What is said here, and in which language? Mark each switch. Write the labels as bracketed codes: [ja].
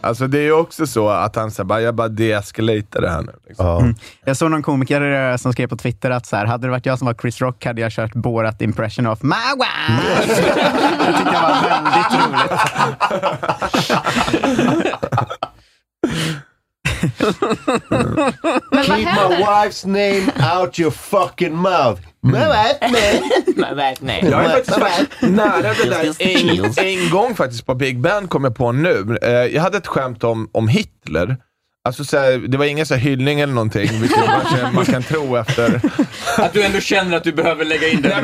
[sv] Alltså det är ju också så att han säger, jag bara deeskalatar det här nu. Liksom. Mm. Jag såg någon komiker där som skrev på Twitter att så här, hade det varit jag som var Chris Rock hade jag kört [en] Borat impression of my wife. [sv] Det tycker jag var väldigt roligt. [en] Keep my wife's name out your fucking mouth. My [sv] bad, jag har faktiskt en gång faktiskt på Big Ben kom jag på nu. Jag hade ett skämt om Hitler. Alltså såhär, det var ingen så hyllning eller någonting, vilket man kan tro efter att du ändå känner att du behöver lägga in den.